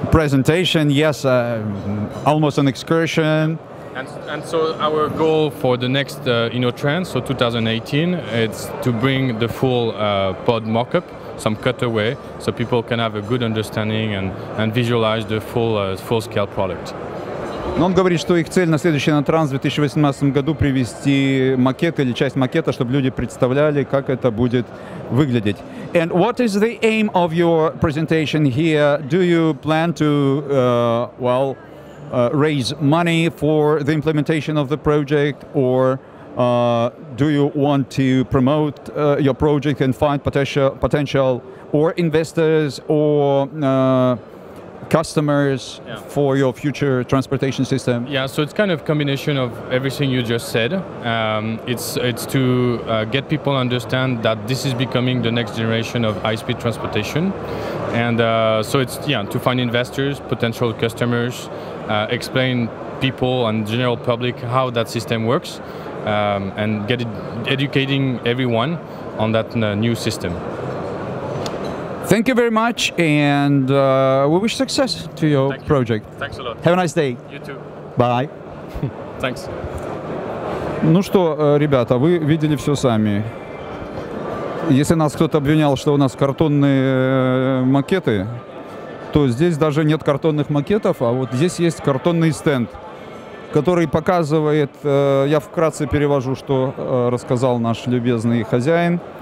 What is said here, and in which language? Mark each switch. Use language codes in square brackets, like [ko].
[en] Presentation, yes, almost an excursion. And so our goal for the next InnoTrans, so 2018, it's to bring the full pod mockup, some cutaway, so people can have a good understanding and visualize the full full-scale product. [ru] Но он говорит, что их цель на следующий InnoTrans в 2018 году привести макет или часть макета, чтобы люди представляли, как это будет выглядеть. [en] And what is the aim of your presentation here? Do you plan to raise money for the implementation of the project, or do you want to promote your project and find potential or investors or customers for your future transportation system? Yeah, so it's kind of a combination of everything you just said. It's to get people understand that this is becoming the next generation of high-speed transportation. And so it's, yeah, to find investors, potential customers, explain people and general public how that system works, and get it educating everyone on that new system. Thank you very much, and we wish success to your project. Thanks a lot. Have a nice day. You too. Bye. Thanks. [ru] Ну что, ребята, вы видели все сами. Если нас кто-то обвинял, что у нас картонные макеты, то здесь даже нет картонных макетов, а вот здесь есть картонный стенд, который показывает, я вкратце перевожу, что рассказал наш любезный хозяин.